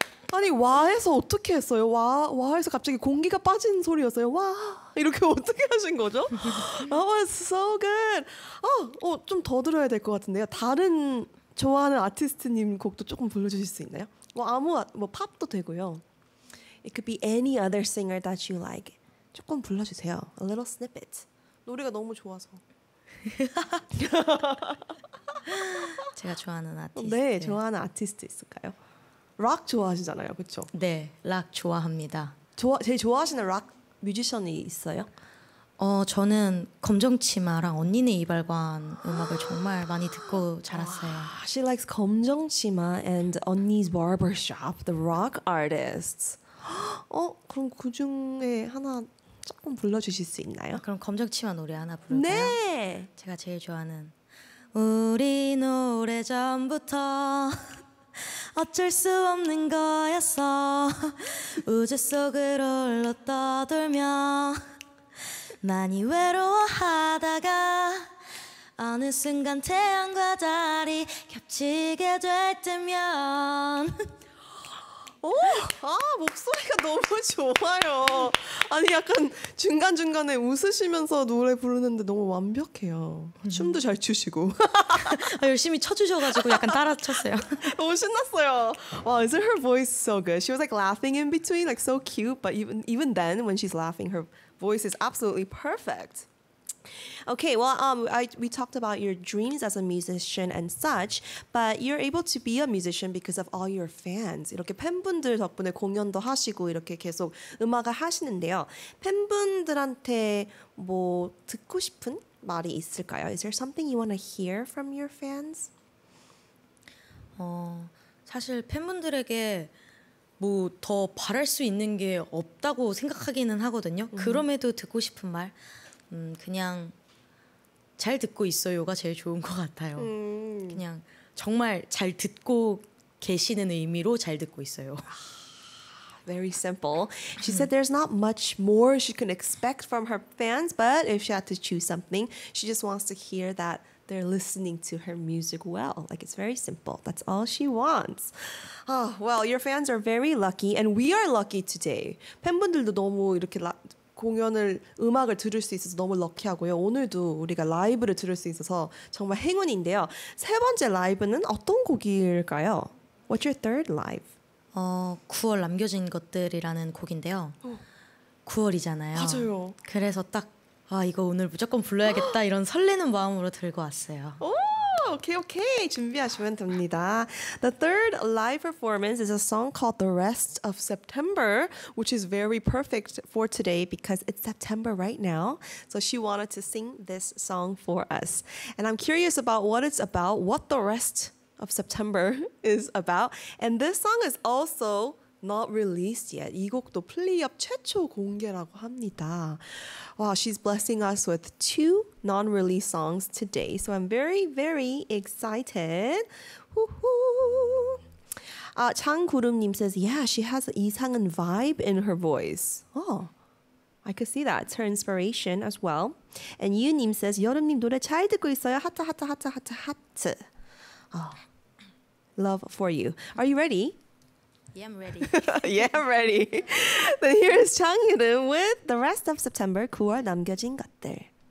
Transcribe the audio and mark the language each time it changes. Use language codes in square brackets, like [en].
[ko] 아니 와해서 어떻게 했어요? 와 와해서 갑자기 공기가 빠진 소리였어요. 와 이렇게 어떻게 하신 거죠? [en] That was so good. [ko] 좀 더 들어야 될 것 같은데요. 다른 좋아하는 아티스트님 곡도 조금 불러주실 수 있나요? 뭐 아무 뭐 팝도 되고요. [en] It could be any other singer that you like. [ko] 조금 불러주세요. [en] A little snippet. [ko] 노래가 너무 좋아서. 제가 좋아하는 아티스트. 네, 좋아하는 아티스트 있을까요? 락 좋아하시잖아요, 그렇죠? 네, 락 좋아합니다. 제일 좋아하시는 락 뮤지션이 있어요? 저는 검정치마랑 언니네 이발관 음악을 정말 많이 듣고 자랐어요. [en] She likes 검정치마 and 언니's barbershop, the rock artists. [ko] 그럼 그 중에 하나 조금 불러주실 수 있나요? 그럼 검정치마 노래 하나 부를까요? 네! 제가 제일 좋아하는 우리 노래 전부터 어쩔 수 없는 거였어 우주 속으로 흘러 떠돌며 많이 외로워하다가 어느 순간 태양과 달이 겹치게 될 때면 목소리가 너무 좋아요. 아니 약간 중간중간에 웃으시면서 노래 부르는데 너무 완벽해요. 춤도 잘 추시고 열심히 쳐주셔가지고 약간 따라 쳤어요. 너무 신났어요. [en] Wow, isn't her voice so good? She was like laughing in between, like so cute. But even then, when she's laughing, her voice is absolutely perfect. Okay, well, we talked about your dreams as a musician and such, but you're able to be a musician because of all your fans. [ko] 이렇게 팬분들 덕분에 공연도 하시고 이렇게 계속 음악을 하시는데요. 팬분들한테 뭐 듣고 싶은 말이 있을까요? [en] Is there something you want to hear from your fans? [ko] 사실 팬분들에게 뭐 더 바랄 수 있는 게 없다고 생각하기는 하거든요. 그럼에도 듣고 싶은 말, 그냥 잘 듣고 있어요가 제일 좋은 것 같아요. 그냥 정말 잘 듣고 계시는 의미로 잘 듣고 있어요. [en] Very simple. She said there's not much more she can expect from her fans, but if she had to choose something, she just wants to hear that they're listening to her music well. Like, it's very simple. That's all she wants. Oh, well, your fans are very lucky, and we are lucky today. [ko] 팬분들도 너무 이렇게 공연을 음악을 들을 수 있어서 너무 럭키하고요. 오늘도 우리가 라이브를 들을 수 있어서 정말 행운인데요. 세 번째 라이브는 어떤 곡일까요? [en] What's your third live? [ko] 9월 남겨진 것들이라는 곡인데요. 9월이잖아요. 맞아요. 그래서 딱 이거 오늘 무조건 불러야겠다 이런 설레는 마음으로 들고 왔어요. 오, 오케이 오케이 준비하시면 됩니다. [en] The third live performance is a song called The Rest of September, which is very perfect for today because it's September right now. So she wanted to sing this song for us. And I'm curious about what it's about, what The Rest of September is about. And this song is also not released yet. [ko] 이 곡도 플리업 최초 공개라고 합니다. [en] Wow, she's blessing us with two non-release songs today. So I'm very, very excited. Woohoo! 장구름님 says, yeah, she has 이상한 vibe in her voice. Oh, I could see that. It's her inspiration as well. And [ko] 유님 [en] says, [ko] 여름님 노래 잘 듣고 있어요. 하트, 하트, 하트, 하트, 하트. [en] Oh, love for you. Are you ready? Yeah, I'm ready. Yeah, I'm ready. Then here is 장유름 with The Rest of September, 9월 남겨진 것들.